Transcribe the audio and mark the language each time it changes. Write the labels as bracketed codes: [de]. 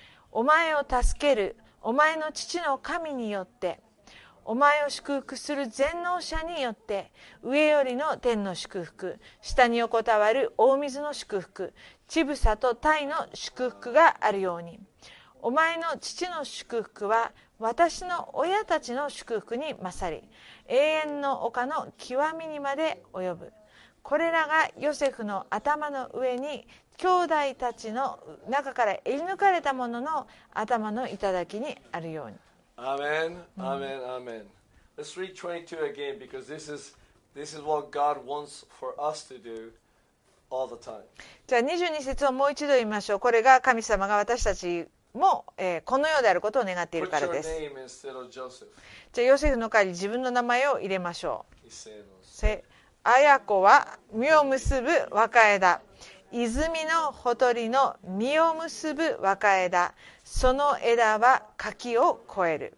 [ja] お前を助けるお前の父の神によって、お前を祝福する全能者によって、上よりの天の祝福、下に横たわる大水の祝福、乳房と胎の祝福があるように、お前の父の祝福は私の親たちの祝福に勝り、永遠の丘の極みにまで及ぶ。これらがヨセフの頭の上に、兄弟たちの中から得り抜かれた者の頭の頂きにあるように。アーメン、アーメン、アーメン。 [en] Let's read 22 again because this is This is what God wants for us to do all the time. [ja] じゃあ22節をもう一度言いましょう。これが神様が私たちも、この世であることを願っているからです。 [en] Put your name instead of Joseph. [ja] じゃあヨセフの代わりに自分の名前を入れましょう。せあやこは実を結ぶ若枝、泉のほとりの実を結ぶ若枝、その枝は柿を越える。